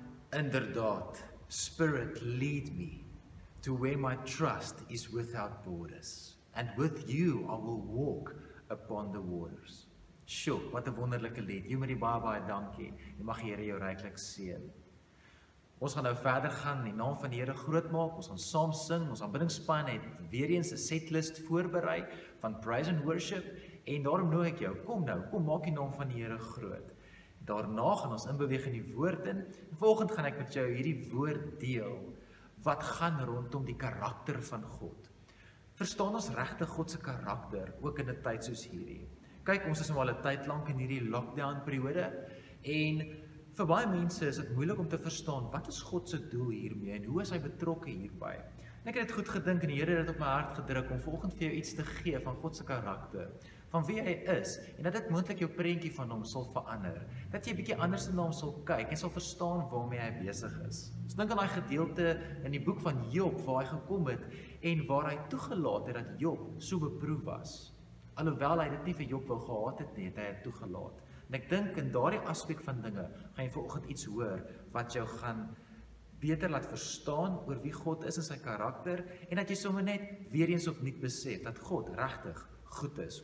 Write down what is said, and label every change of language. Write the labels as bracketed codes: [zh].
[en] Inderdaad, Spirit, lead me to where my trust is without borders, and with you I will walk upon the waters. [af] Sjoe, wat 'n wonderlike lied. Jy moet die baie baie dankie. Jy mag die Here jou ryklik seën. Ons gaan nou verder gaan, die naam van die Here groot maak. Ons gaan saam sing. Ons aanbiddingspan het weer eens 'n setlist voorberei van praise and worship en daarom nooi ek jou. Kom nou, kom maak die naam van die Here groot. Daarna gaan ons inbeweeg in die woord in. Volgende gaan ek met jou hierdie woord deel wat gaan rondom die karakter van God. Verstaan ons regtig God se karakter ook in 'n tyd soos hierdie? Kyk, ons is nou al 'n tyd lank in hierdie lockdown periode en vir baie mense is dit moeilik om te verstaan wat is God se doel hiermee en hoe is hy betrokke hierby? Ek het dit goed gedink en die Here het dit op my hart gedruk om volgende vir jou iets te gee van God se karakter. Van wie hy is, en dat dit moontlik jou prentjie van hom sal verander, dat jy 'n bietjie anders na hom sal kyk en sal verstaan waarmee hy besig is. Ons dink aan daai gedeelte in die boek van Job waar hy gekom het en waar hy toegelaat het dat Job so beproef was. Alhoewel hy dit nie vir Job wou gehad het nie, het hy dit toegelaat. En ek dink in daardie aspek van dinge gaan jy vanoggend iets hoor wat jou gaan beter laat verstaan oor wie God is en sy karakter en dat jy sommer net weer eens opnuut besef dat God regtig goed is.